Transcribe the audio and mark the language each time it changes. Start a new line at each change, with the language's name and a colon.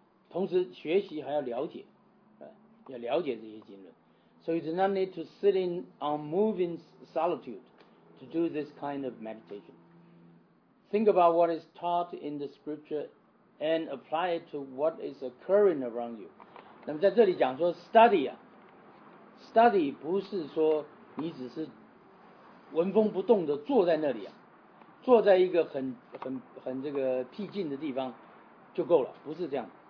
Chinese: 同时学习还要了解，要了解这些经论。
English: So you do not need to sit in unmoving solitude to do this kind of meditation. Think about what is taught in the scripture. And apply it to what is occurring around you.
Chinese: 那么在这里讲说 study 啊 ，study 不是说你只是闻风不动的坐在那里啊，坐在一个很这个僻静的地方就够了，不是这样。